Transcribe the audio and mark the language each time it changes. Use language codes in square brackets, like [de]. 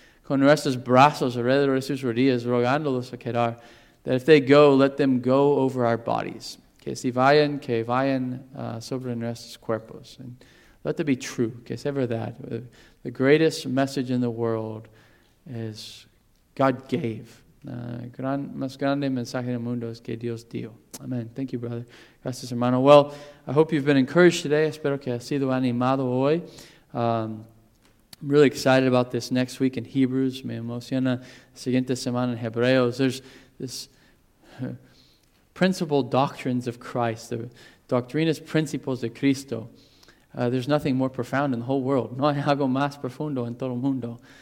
[es] Con nuestros brazos alrededor de sus rodillas, rogándolos a quedar. [en] That if they go, let them go over our bodies. [es] Que si vayan, que vayan sobre nuestros cuerpos. [en] And let that be true. [es] Que sea verdad. [en] The greatest message in the world is God gave. [es] Más grande mensaje del mundo es que Dios dio. [en] Amen. Thank you, brother. [es] Gracias, hermano. [en] Well, I hope you've been encouraged today. [es] Espero que has sido animado hoy. [en] I'm really excited about this next week in Hebrews. [es] Me emociona la siguiente semana en Hebreos. [en] There's this principal doctrines of Christ, the [es] doctrinas principles de Cristo. [en] There's nothing more profound in the whole world. [es] No hay algo más profundo en todo el mundo.